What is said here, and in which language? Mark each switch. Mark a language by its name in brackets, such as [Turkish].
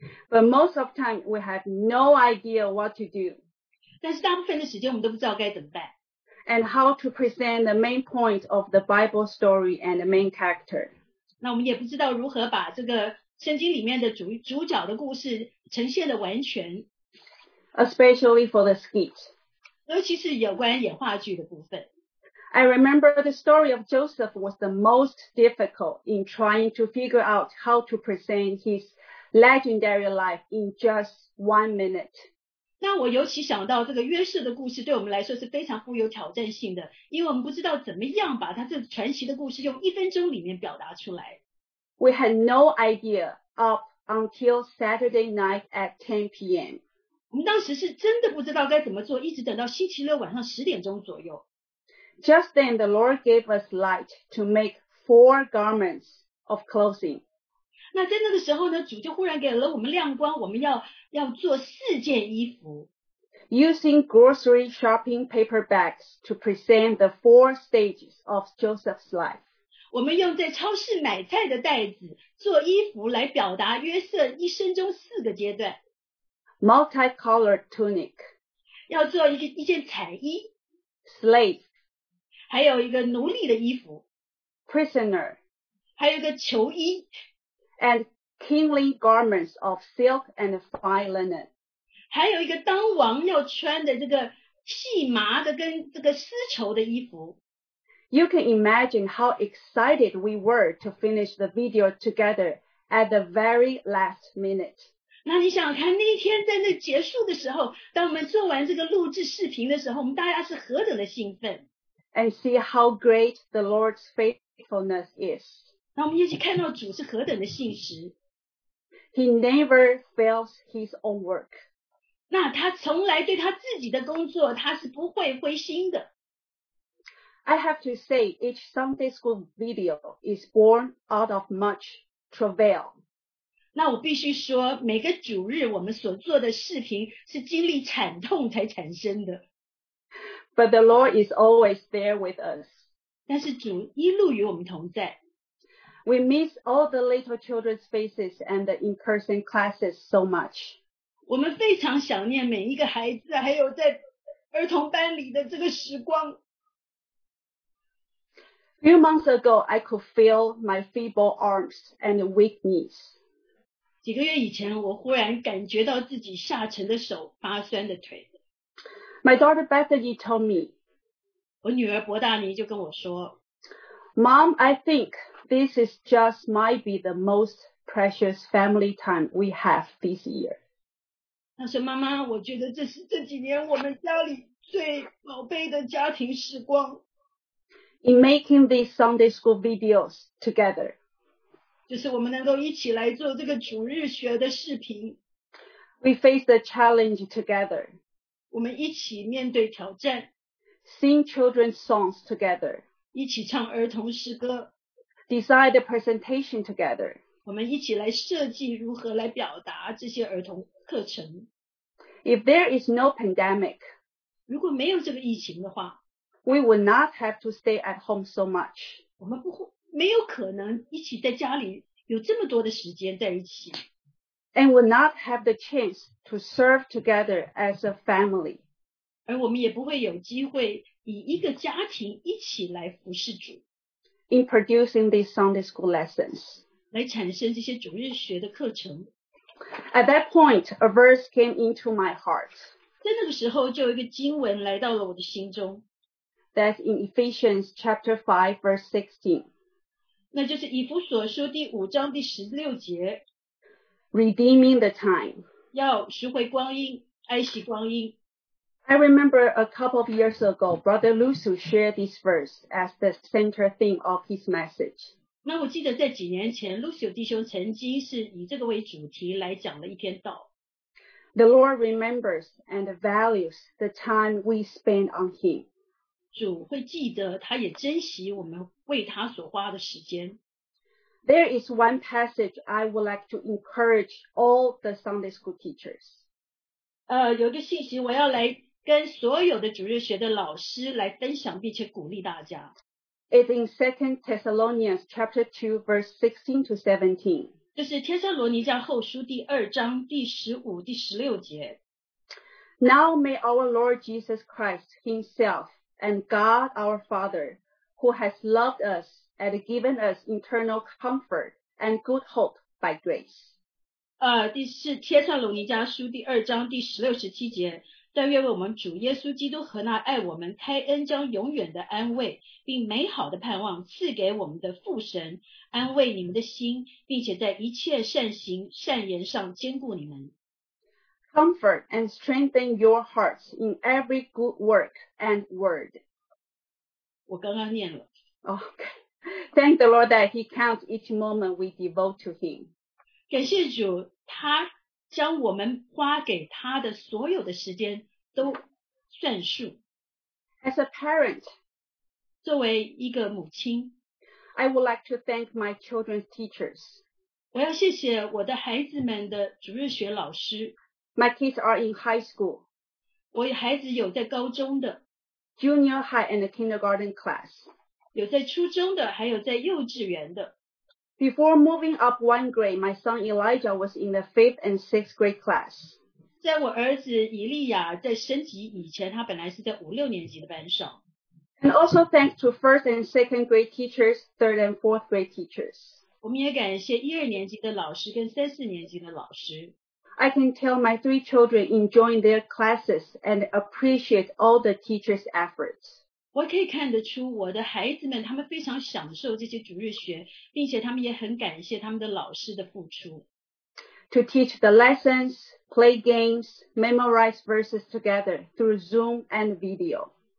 [English] But most of the time, we have no idea what to do. [Chinese] 但是大部分的时间我们都不知道该怎么办。 [English] And how to present the main point of the Bible story and the main character. [Chinese] 那我们也不知道如何把这个圣经里面的 主角的故事呈现的完全。 [English] Especially for the skit. [Chinese] 尤其是有关演话剧的部分。 [English] I remember the story of Joseph was the most difficult in trying to figure out how to present his legendary life in just 1 minute. [Chinese] 那我尤其想到这个约瑟的故事对我们来说是非常富有挑战性的，因为我们不知道怎么样把他这传奇的故事用1分钟里面表达出来。 [English] We had no idea up until Saturday night at 10 p.m. [Chinese] 我们当时是真的不知道该怎么做，一直等到星期六晚上10点钟左右。 [English] Just then, the Lord gave us light to make 4 garments of clothing. [Chinese] 那在那个时候呢，主就忽然给了我们亮光，我们要做4件衣服。 [English] Using grocery shopping paper bags to present the 4 stages of Joseph's life. [Chinese] 我们用在超市买菜的袋子做衣服来表达约瑟一生中4个阶段。 [English] Multicolored tunic. [Chinese] 要做一件彩衣。 [English] Slave. [Chinese] 还有一个奴隶的衣服。 [English] Prisoner. [Chinese] 还有一个囚衣。 [English] And kingly garments of silk and fine linen. [Chinese] 还有一个当王要穿的这个细麻的跟这个丝绸的衣服。 [English] You can imagine how excited we were to finish the video together at the very last minute. [Chinese] 那你想看那天在那结束的时候，当我们做完这个录制视频的时候，我们大家是何等的兴奋。 [English] And see how great the Lord's faithfulness is. [Chinese] 那我们一起看到主是何等的信实。 [English] He never fails his own work. [Chinese] 那他从来对他自己的工作，他是不会灰心的。 [English] I have to say, each Sunday school video is born out of much travail. [Chinese] 那我必须说，每个主日我们所做的视频是经历惨痛才产生的。 [English] But the Lord is always there with us. [Chinese] 但是主一路与我们同在。 [English] We miss all the little children's faces and the in-person classes so much. [Chinese] 我们非常想念每一个孩子还有在儿童班里的这个时光。 [English] Few months ago, I could feel my feeble arms and weak knees. [Chinese] 几个月以前，我忽然感觉到自己下沉的手，发酸的腿。 [English] My daughter Bethany told me, [Chinese] 我女儿博大尼就跟我说, [English] Mom, I think this is just might be the most precious family time we have this year. [Chinese] 她说, 妈妈, 我觉得这是这几年我们家里最宝贝的家庭时光。 [English] In making these Sunday school videos together, [Chinese] 就是我们能够一起来做这个主日学的视频。 [English] We face the challenge together. [Chinese] 我们一起面对挑战。 [English] Sing children's songs together. [Chinese] 一起唱儿童诗歌。 [English] Design the presentation together. [Chinese] 我们一起来设计如何来表达这些儿童课程。 [English] If there is no pandemic, [Chinese] 如果没有这个疫情的话， [English] we would not have to stay at home so much. [Chinese] 我们没有可能一起在家里有这么多的时间在一起。 [English] And would not have the chance to serve together as a family. [Chinese] 而我们也不会有机会以一个家庭一起来服侍主。 [English] In producing these Sunday school lessons. [Chinese] 来产生这些主日学的课程。 [English] At that point, a verse came into my heart. [Chinese] 在那个时候就有一个经文来到了我的心中。 [English] That's in Ephesians chapter 5, verse 16. [Chinese] 那就是以弗所书第五章第十六节。 [English] Redeeming the time. [Chinese] 要赎回光阴，爱惜光阴。 [English] I remember a couple of years ago, Brother Lusu shared this verse as the center theme of his message. [Chinese] 那我记得在几年前 ，Lusu 弟兄曾经是以这个为主题来讲了一篇道。 [English] The Lord remembers and values the time we spend on Him. [Chinese] 主会记得，他也珍惜我们为他所花的时间。 [English] There is one passage I would like to encourage all the Sunday school teachers. [Chinese] 有一个信息我要来跟所有的主日学的老师来分享，并且鼓励大家。 [English] It's in 2 Thessalonians chapter 2, verse 16 to 17. [Chinese] 就是帖撒罗尼迦后书第二章第十五、第十六节。 [English] Now may our Lord Jesus Christ Himself and God our Father, who has loved us and given us eternal comfort and good hope by grace. [Chinese] 第四帖撒罗尼迦书第二章第十六、十七节。但愿我们主耶稣基督和那爱我们开恩将永远的安慰并美好的盼望赐给我们的父神安慰你们的心并且在一切善行善言上坚固你们 [English] Comfort and strengthen your hearts in every good work and word [Chinese] 我刚刚念了 [English] Okay. Thank the Lord that he counts each moment we devote to him [Chinese] 感谢主他将我们花给他的所有的时间都算数。 [English] As a parent, [Chinese] 作为一个母亲 [English] I would like to thank my children's teachers. [Chinese] 我要谢谢我的孩子们的主日学老师。 [English] My kids are in high school. [Chinese] 我孩子有在高中的。 [English] Junior high and kindergarten class. [Chinese] 有在初中的还有在幼稚园的。 [English] Before moving up one grade, my son Elijah was in the 5th and 6th grade class. [Chinese] 在我儿子以利亚在升级以前他本来是在五六年级的班上。 [English] And also thanks to 1st and 2nd grade teachers, 3rd and 4th grade teachers. [Chinese] 我们也感谢一二年级的老师跟三四年级的老师。 [English] I can tell my three children enjoying their classes and appreciate all the teachers' efforts. [Chinese] 我可以看得出我的孩子们他们非常享受这些主日学并且他们也很感谢他们的老师的付出。 [English] To teach the lessons, play games, memorize verses together through Zoom and video.